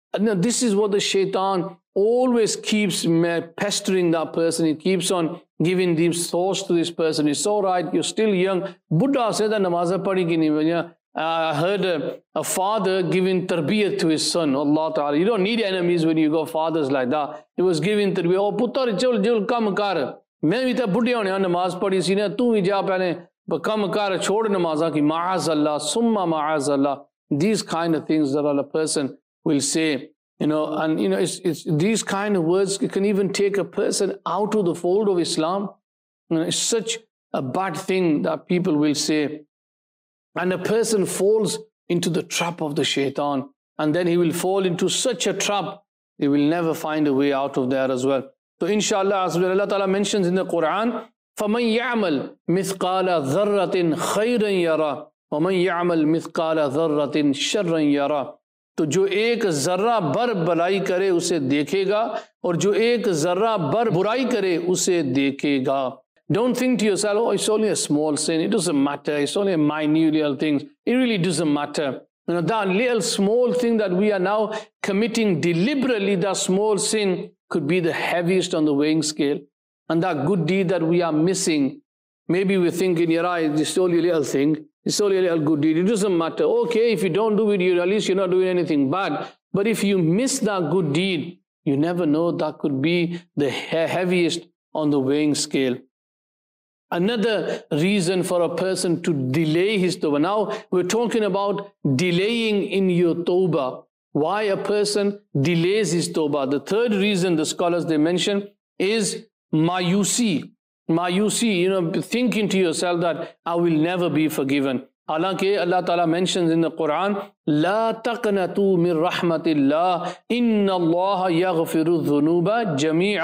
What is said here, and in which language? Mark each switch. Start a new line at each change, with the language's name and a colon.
English: And this is what the shaitan always keeps pestering that person. He keeps on giving these thoughts to this person. It's all right. You're still young. Buddha said that
Urdu: namaza padi ki nahi.
English: I heard a father giving tarbiyah to his son. Allah Ta'ala. You don't need enemies when you got fathers like that. He was giving tarbiyah.
Punjabi: Oh, putar, chul, chul, kam kar. میں بھی تو بڈھے ہونے نماز پڑھی سی نا تو ہی جا پہلے کم کر چھوڑ نماز کی معاذ اللہ
English: ثم معاذ اللہ these kind of things that a person will say you know and you know it's these kind of words can even take a person out of the fold of Islam such a bad thing that people will say and a person falls into the trap of the shaitan and then he will fall into such a trap he will never find a way out of there as well. So inshallah, Allah Ta'ala mentions in the Quran,
Arabic: فَمَنْ يَعْمَلْ مِثْقَالَ ذَرَّةٍ خَيْرًا يَرَى وَمَنْ يَعْمَلْ مِثْقَالَ ذَرَّةٍ شَرًّا يَرَى.
Urdu: تو جو ایک ذرہ بر بلائی کرے اسے دیکھے گا اور جو ایک ذرہ بر برائی کرے اسے دیکھے گا.
English: Don't think to yourself, oh, it's only a small sin, it doesn't matter, it's only a minute little thing, it really doesn't matter. You know, that little small thing that we are now committing deliberately, that small sin could be the heaviest on the weighing scale. And that good deed that we are missing, maybe we think in your eyes, it's only a little thing, it's only a little good deed, it doesn't matter. Okay, if you don't do it, you, at least you're not doing anything bad. But if you miss that good deed, you never know, that could be the heaviest on the weighing scale. Another reason for a person to delay his tawbah. Now, we're talking about delaying in your tawbah. Why a person delays his tawbah. The third reason the scholars they mention is mayusi. Mayusi, you know, thinking to yourself that I will never be forgiven. Alanke Allah Ta'ala mentions in the Quran,
Arabic: لا تقنطوا من رحمة الله إن الله يغفر الذنوب جميعا.